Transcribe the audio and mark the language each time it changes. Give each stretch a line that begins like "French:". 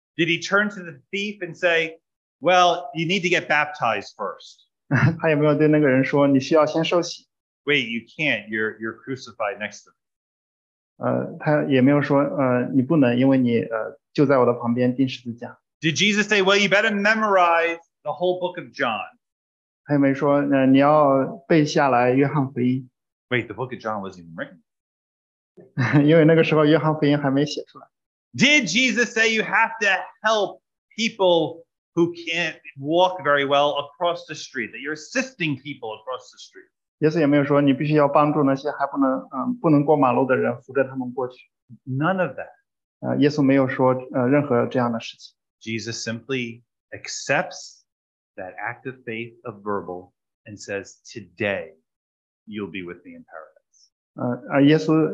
English: Did he turn to the thief and say, well, you need to get baptized first?
Chinese: 他也没有对那个人说,你需要先受洗。
English: Wait, you can't. You're crucified next to me.
Chinese: 他也没有说你不能，因为你就在我的旁边钉十字架。
English: Did Jesus say, "Well, you better memorize the whole book of John"?
Chinese: 他也没说你要背下来约翰福音。
English: Wait, the book of John wasn't even written.
Chinese: 因为那个时候约翰福音还没写出来。
English: Did Jesus say you have to help people who can't walk very well across the street? That you're assisting people across the street?
Chinese: 耶稣也没有说你必须要帮助那些还不能过马路的人扶着他们过去。
English: None of that.
Chinese: 耶稣没有说任何这样的事情。Jesus
English: simply accepts that act of faith of verbal and says, today you'll be with me in paradise.